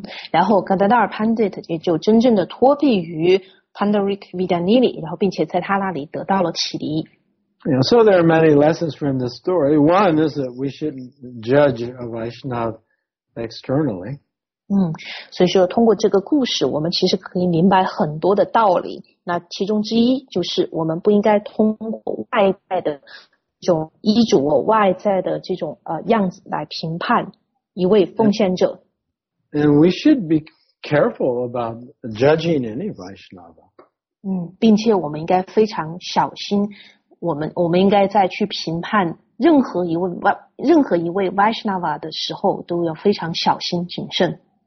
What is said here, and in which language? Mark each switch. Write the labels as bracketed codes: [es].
[zh] 然后 Gadadhar Pandit 也就真正的托庇于 Pundarika Vidyanidhi, 然后并且在他那里得到了启迪。 [en] Yeah, so there are many lessons from this story. One is that we shouldn't judge a Vaishnava externally. [zh] 所以说通过这个故事我们其实可以明白很多的道理，那其中之一就是我们不应该通过外在的这种衣着，外在的这种样子来评判一位奉献者。 [en] And we should be careful about judging any Vaishnava. [zh] 并且我们应该非常小心，我们应该再去评判任何一位 Vaishnava 的时候都要非常小心谨慎。